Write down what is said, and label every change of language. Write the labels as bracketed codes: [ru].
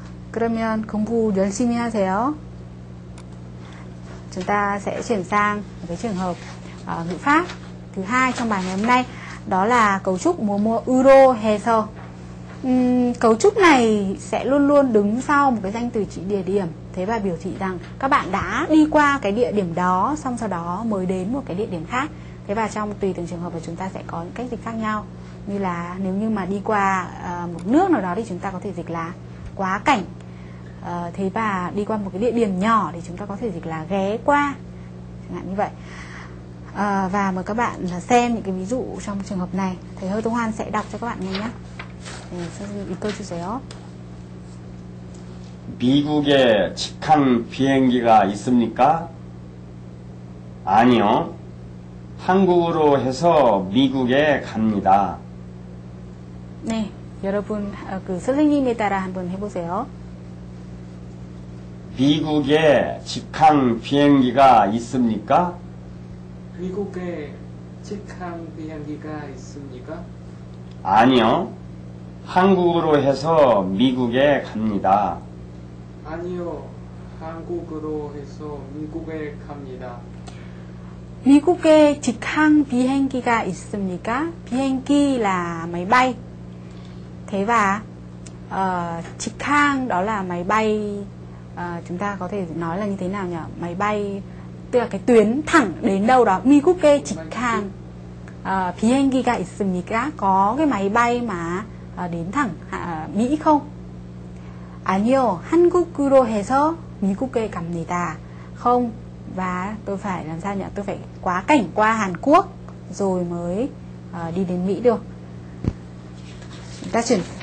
[ko] 그러면 공부 열심히 하세요. [vi] Chúng ta sẽ chuyển sang cái trường hợp ngữ pháp thứ hai trong bài ngày hôm nay, đó là cấu trúc mồm [ko] 으로 해서. [vi] Cấu trúc này sẽ luôn luôn đứng sau một cái danh từ chỉ địa điểm, thế và biểu thị rằng các bạn đã đi qua cái địa điểm đó xong sau đó mới đến một cái địa điểm khác. Thế và trong tùy từng trường hợp thì chúng ta sẽ có những cách dịch khác nhau. Như là nếu như mà đi qua một nước nào đó thì chúng ta có thể dịch là quá cảnh. Thế và đi qua một cái địa điểm nhỏ thì chúng ta có thể dịch là ghé qua. Chẳng hạn như vậy. Và mời các bạn xem những cái ví dụ trong trường hợp này. Thầy Hơ Tông Hoan sẽ đọc cho các bạn nghe nhé. Tôi chưa giới ó. [ko] 미국에 직항 비행기가 있습니까? 아니요. 한국으로 해서 미국에 갑니다. 네, 여러분 그 선생님에 따라 한번 해보세요. 미국에 직항 비행기가 있습니까? 미국에 직항 비행기가 있습니까? 아니요. 한국으로 해서 미국에 갑니다. 아니요. 한국으로 해서 미국에 갑니다. 미국에 직항 비행기가 있습니까? [vi] 비행기 là máy bay. Thế và trực thăng đó là máy bay, chúng ta có thể nói là như thế nào nhỉ? Máy bay, tức là cái tuyến thẳng đến đâu đó. [ko] 미국에 직항 비행기가 있습니까? [vi] Có cái máy bay mà đến thẳng Mỹ không? [ko] 아니요, 한국으로 해서 미국에 갑니다. [vi] Không. Và tôi phải làm sao nhỉ? Tôi phải quá cảnh qua Hàn Quốc rồi mới đi đến Mỹ được. Chúng ta chuyển.